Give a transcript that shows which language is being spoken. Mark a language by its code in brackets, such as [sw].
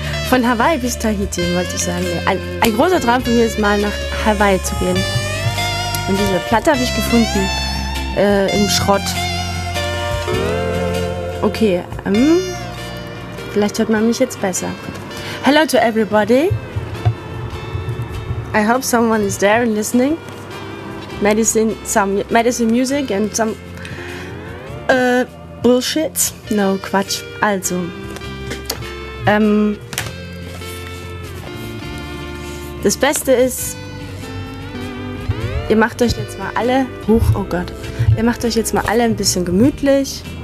[de] Von Hawaii bis Tahiti, wollte ich sagen. Ein großer Traum von mir ist mal nach Hawaii zu gehen. Und diese Platte habe ich gefunden im Schrott. Okay, vielleicht hört man mich jetzt besser. [en] Hello to everybody. I hope someone is there and listening. Medicine music and some bullshit. No, [de] Quatsch. Also, das Beste ist, ihr macht euch jetzt mal alle, ihr macht euch jetzt mal alle ein bisschen gemütlich.